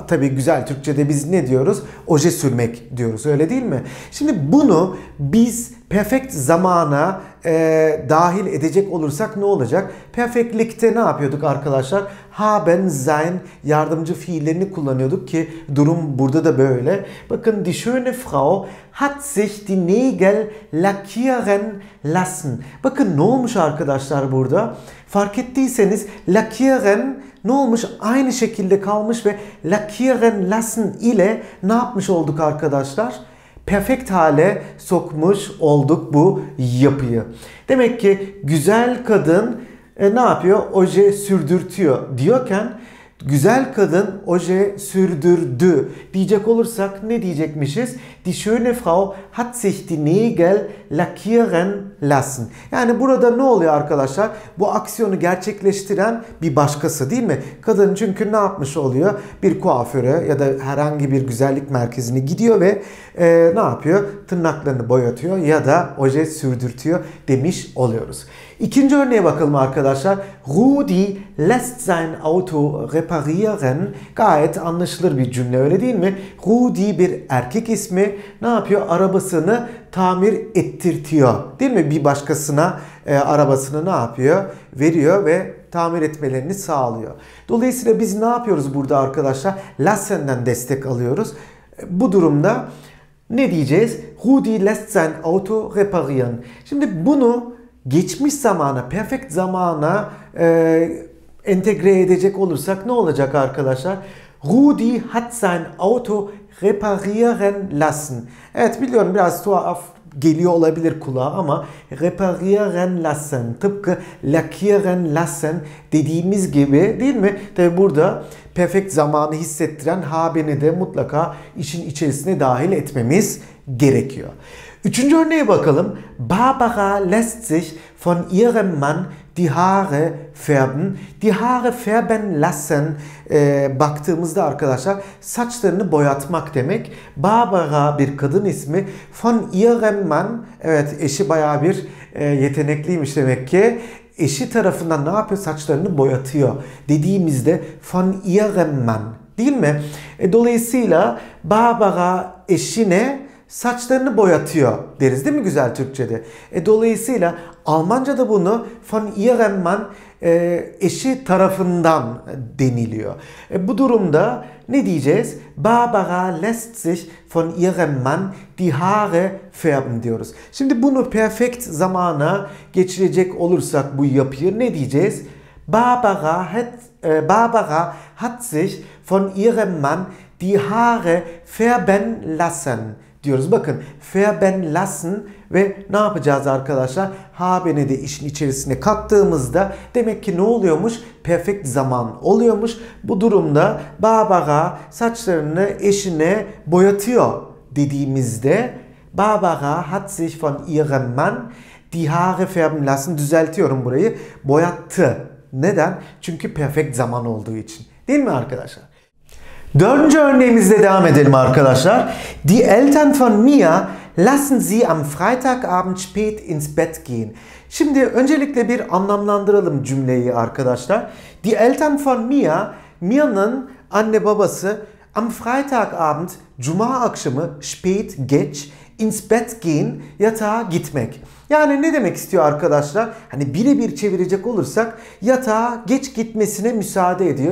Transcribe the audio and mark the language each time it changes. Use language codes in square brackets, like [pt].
[tr] Tabii güzel Türkçe'de biz ne diyoruz? Oje sürmek diyoruz, öyle değil mi? Şimdi bunu biz perfect zamana dahil edecek olursak ne olacak? Perfectlikte ne yapıyorduk arkadaşlar? Haben, sein yardımcı fiillerini kullanıyorduk ki durum burada da böyle. [de] Bakın, die schöne Frau hat sich die Nägel lackieren lassen. [tr] Bakın ne olmuş arkadaşlar burada? Fark ettiyseniz lackieren ne olmuş? Aynı şekilde kalmış ve [de] lackieren lassen [tr] ile ne yapmış olduk arkadaşlar? Perfekt hale sokmuş olduk bu yapıyı. Demek ki güzel kadın ne yapıyor? Oje sürdürtüyor diyorken, güzel kadın oje sürdürdü diyecek olursak ne diyecekmişiz? [de] Die schöne Frau hat sich die Nägel lackieren lassen. [tr] Yani burada ne oluyor arkadaşlar? Bu aksiyonu gerçekleştiren bir başkası değil mi? Kadın çünkü ne yapmış oluyor? Bir kuaföre ya da herhangi bir güzellik merkezine gidiyor ve ne yapıyor? Tırnaklarını boyatıyor ya da oje sürdürtüyor demiş oluyoruz. İkinci örneğe bakalım arkadaşlar. [de] Rudi lässt sein Auto reparieren. [tr] Gayet anlaşılır bir cümle, öyle değil mi? Rudi bir erkek ismi. Ne yapıyor? Arabasını tamir ettirtiyor. Değil mi? Bir başkasına arabasını ne yapıyor? Veriyor ve tamir etmelerini sağlıyor. Dolayısıyla biz ne yapıyoruz burada arkadaşlar? Lassen'den destek alıyoruz. Bu durumda ne diyeceğiz? [de] Rudi lässt sein Auto reparieren. [tr] Şimdi bunu geçmiş zamana, perfect zamana entegre edecek olursak ne olacak arkadaşlar? [de] Rudi hat sein Auto reparieren lassen. [tr] Evet, biliyorum biraz tuhaf geliyor olabilir kulağa ama [de] reparieren lassen, [tr] tıpkı [de] lackieren lassen [tr] dediğimiz gibi değil mi? Tabi burada perfect zamanı hissettiren haben'i de mutlaka işin içerisine dahil etmemiz gerekiyor. Üçüncü örneğe bakalım. [de] Barbara lässt sich von ihrem Mann die Haare färben. Die Haare färben lassen. [tr] Baktığımızda arkadaşlar saçlarını boyatmak demek. Barbara bir kadın ismi. [de] Von ihrem Mann. [tr] Evet, eşi bayağı bir yetenekliymiş demek ki. Eşi tarafından ne yapıyor? Saçlarını boyatıyor dediğimizde [de] von ihrem Mann [tr] değil mi? Dolayısıyla Barbara eşine saçlarını boyatıyor deriz değil mi güzel Türkçe'de? Dolayısıyla Almanca'da bunu [de] von ihrem Mann, [tr] eşi tarafından deniliyor. Bu durumda ne diyeceğiz? [de] Barbara lässt sich von ihrem Mann die Haare färben [tr] diyoruz. Şimdi bunu perfekt zamana geçirecek olursak bu yapıyı ne diyeceğiz? [de] Barbara hat sich von ihrem Mann die Haare färben lassen [tr] diyoruz. Bakın, [de] färben lassen [tr] ve ne yapacağız arkadaşlar? Haben'i de işin içerisine kattığımızda demek ki ne oluyormuş? Perfekt zaman oluyormuş. Bu durumda Barbara saçlarını eşine boyatıyor dediğimizde [de] Barbara hat sich von ihrem Mann die Haare färben lassen. [tr] Düzeltiyorum burayı. Boyattı. Neden? Çünkü perfekt zaman olduğu için. Değil mi arkadaşlar? Dördüncü örneğimizle devam edelim arkadaşlar. [de] Die Eltern von Mia lassen sie am Freitagabend spät ins Bett gehen. [tr] Şimdi öncelikle bir anlamlandıralım cümleyi arkadaşlar. [de] Die Eltern von Mia, [tr] Mia'nın anne babası [de] am Freitagabend, [tr] cuma akşamı [de] spät, [tr] geç, [de] ins Bett gehen, [tr] yatağa gitmek. Yani ne demek istiyor arkadaşlar? Hani birebir çevirecek olursak yatağa geç gitmesine müsaade ediyor.